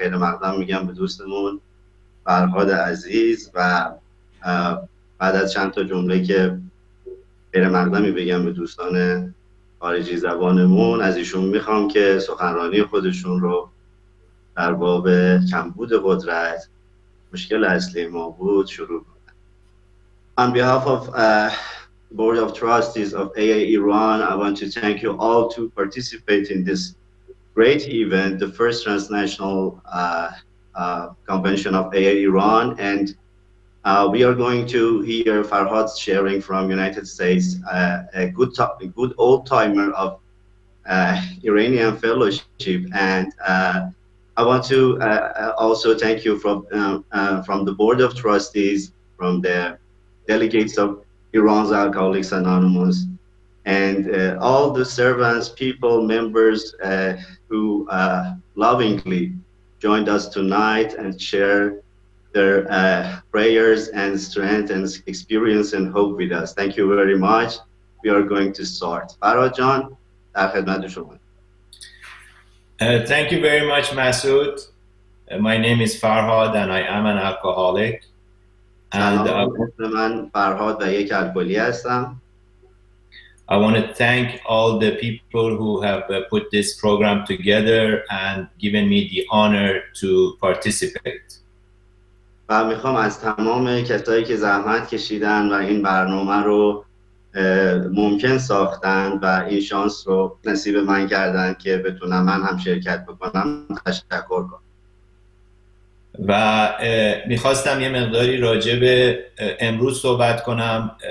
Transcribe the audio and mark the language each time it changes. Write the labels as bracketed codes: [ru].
[fa] خیلی مقدم میگم به دوستمون فرهاد عزیز و بعد از چند تا جمله که خیلی مقدمی بگم به دوستان خارجی زبانمون، از ایشون میخوام که سخنرانی خودشون رو در باب کمبود قدرت، مشکل اصلی ما بود، شروع کنم. [en] On behalf of Board of Trustees of AIA Iran, I want to thank you all to participate in this great event, the first transnational convention of AIA Iran, and we are going to hear Farhad sharing from United States, a good old timer of Iranian fellowship, and I want to also thank you from the Board of Trustees, from the delegates of Iran's Alcoholics Anonymous, and all the servants, people, members who lovingly joined us tonight and share their prayers and strength and experience and hope with us. Thank you very much. We are going to start. Farhad Jan, [fa] در خدمت شما. [en] Thank you very much, Masood. My name is Farhad and I am an alcoholic. [fa] And من فرهاد و یک الکلی هستم. [en] I want to thank all the people who have put this program together and given me the honor to participate. [fa] و میخوام از تمام کسایی که زحمت کشیدن و این برنامه رو ممکن ساختن و این شانس رو نصیب من کردن که بتونم من هم شرکت بکنم تشکر کنم. و میخواستم یه مقداری راجع به امروز صحبت کنم.